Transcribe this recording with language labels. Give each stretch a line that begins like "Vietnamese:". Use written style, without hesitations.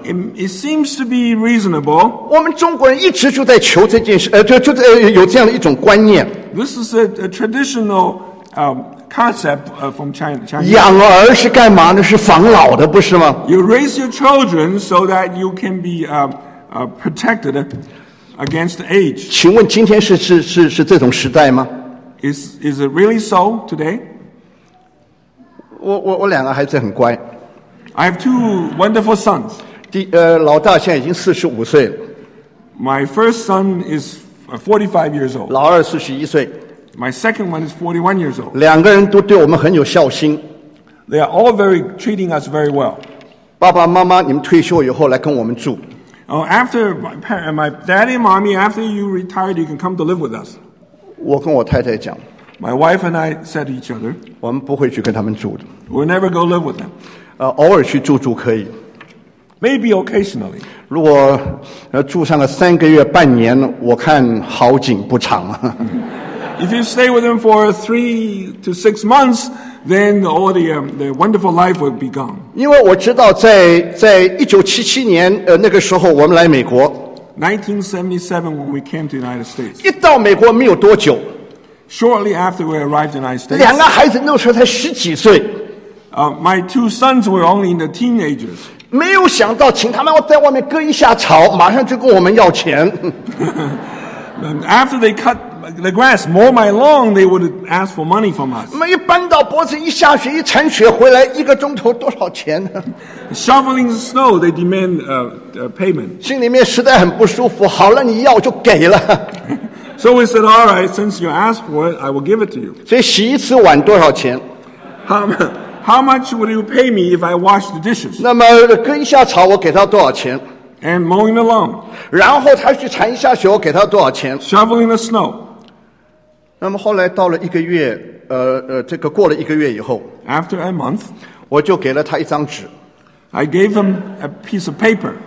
English: it seems to be reasonable
Chinese: 我们中国人一直就在求这件事有这样的一种观念
English: this is a traditional concept from China
Chinese: 养儿是干嘛呢是防老的不是吗
English: you raise your children so that you can be protected against age
Chinese: 请问今天是这种时代吗
English: is it really so today
Chinese: 我两个孩子很乖
English: I have two wonderful sons
Chinese: 老大现在已经45岁了
English: my first son is 45 years old
Chinese: 老二41岁
English: my second one is 41 years old
Chinese: 两个人都对我们很有孝心
English: they are all very treating us very well
Chinese: 爸爸妈妈你们退休以后来跟我们住
English: After my daddy and mommy, after you retired, you can come to live with us.
Chinese: 我跟我太太讲
English: My wife and I said to each other,
Chinese: 我们不会去跟他们住的
English: We'll never go live with them.
Chinese: 偶尔去住住可以
English: Maybe occasionally.
Chinese: 如果住上了三个月半年，我看好景不长啊。
English: If you stay with them for 3 to 6 months, then all the wonderful life will be gone.
Chinese: 因为我知道在1977年那个时候我们来美国。
English: 1977 when we came to the United States.
Chinese: 一到美国没有多久。
English: Shortly after we arrived in the United States.
Chinese: 两个孩子那时候才十几岁。
English: My two sons were only in the teenagers.
Chinese: 没有想到请他们在外面割一下草马上就跟我们要钱。
English: After they cut the grass, mow my lawn, they would ask for money from us.
Chinese: 一搬到脖子一下雪一铲雪回来一个钟头多少钱呢
English: Shoveling snow, they demand payment.
Chinese: 心里面实在很不舒服好了你要就给了
English: So we said, all right, since you asked for it, I will give it to you.
Chinese: 所以洗一次碗多少钱
English: How much would you pay me if I wash the dishes?
Chinese: 那么割一下草我给他多少钱
English: And mowing the lawn.
Chinese: 然后他去铲一下雪我给他多少钱
English: Shoveling the snow.
Chinese: 那么后来到了一个月这个过了一个月以后
English: After a month
Chinese: 我就给了他一张纸
English: I gave him a piece of paper